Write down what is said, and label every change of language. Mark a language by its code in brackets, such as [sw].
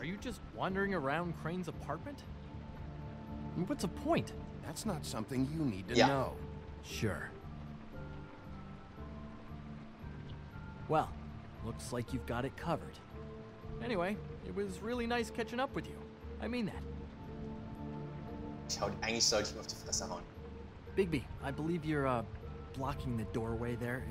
[en] Are you just wandering around Crane's apartment? What's the point? That's not something you need to yeah. know. Sure. Well, looks like you've got it covered. Anyway, it was really nice catching up with you. I mean that. [de] Schaut, eigentlich sollte ich mir auf die Fresse hauen. [en] Bigby, I believe you're blocking the doorway there.